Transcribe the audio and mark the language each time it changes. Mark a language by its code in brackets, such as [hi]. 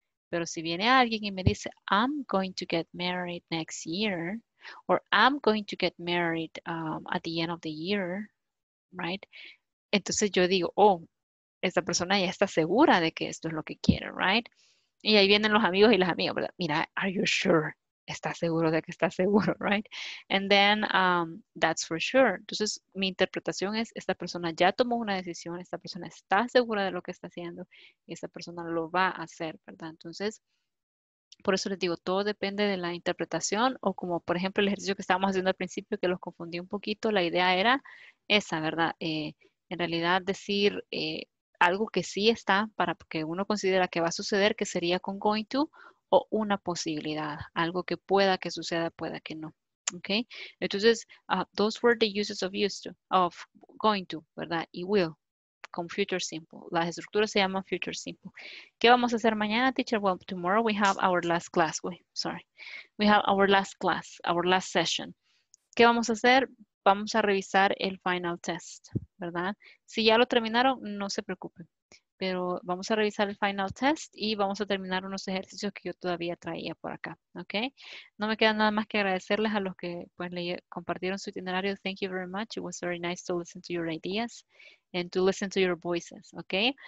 [es] Pero si viene alguien y me dice, [en] I'm going to get married next year, or I'm going to get married at the end of the year, right? [es] Entonces yo digo, oh, esta persona ya está segura de que esto es lo que quiere, right? Y ahí vienen los amigos y las amigas, ¿verdad? Mira, [en] are you sure? [es] ¿Estás seguro de que estás seguro, right? [en] And then, that's for sure. [es] Entonces, mi interpretación es, esta persona ya tomó una decisión, esta persona está segura de lo que está haciendo, y esta persona lo va a hacer, ¿verdad? Entonces, por eso les digo, todo depende de la interpretación, o como, por ejemplo, el ejercicio que estábamos haciendo al principio, que los confundí un poquito, la idea era esa, ¿verdad? En realidad, decir algo que sí está para que uno considera que va a suceder, que sería con going to, o una posibilidad, algo que pueda que suceda, pueda que no. [en] Okay? [es] Entonces, [en] those were the uses of going to, ¿verdad? [es] Y will, con future simple. Las estructuras se llaman future simple. ¿Qué vamos a hacer mañana, [en] teacher? Well, tomorrow we have our last class. We have our last class, our last session. [es] ¿Qué vamos a hacer? Vamos a revisar el final test, ¿verdad? Si ya lo terminaron, no se preocupen. pero vamos a revisar el final test y vamos a terminar unos ejercicios que yo todavía traía por acá, ¿ok? No me queda nada más que agradecerles a los que pues, compartieron su itinerario. [en] Thank you very much. It was very nice to listen to your ideas and to listen to your voices, ¿ok?